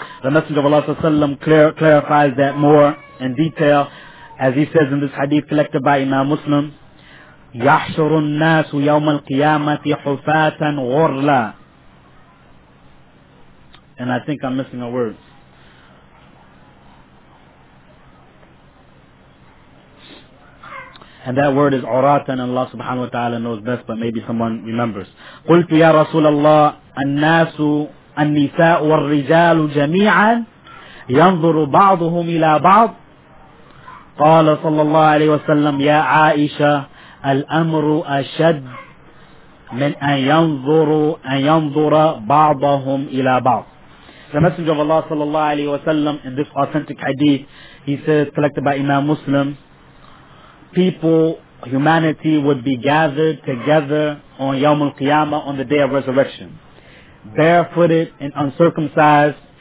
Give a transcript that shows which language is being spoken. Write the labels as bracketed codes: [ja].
[en] The Messenger of Allah sallallahu alayhi wa sallam clarifies that more in detail, as he says in this hadith collected by Imam Muslim, [ar] يَحْشُرُ النَّاسُ يَوْمَ الْقِيَامَةِ حُفَاتًا غُرْلَى. [en] And I think I'm missing a word. And that word is عُرَاتًا, and Allah subhanahu wa ta'ala knows best, but maybe someone remembers. [ar] قُلْتُ يَا رَسُولَ اللَّهِ النَّاسُ النِّسَاءُ وَالرِّجَالُ جَمِيعًا يَنْظُرُ بَعْضُهُمْ إِلَى بَعْضٍ قال صلى الله عليه وسلم يا عائشة الأمر أشد من أن ينظر بعضهم إلى بعض. [en] The Messenger of Allah [ar] صلى الله عليه وسلم [en] in this authentic hadith, he says, collected by Imam Muslim, people, humanity would be gathered together on Yawm al-Qiyamah, on the day of resurrection, barefooted and uncircumcised.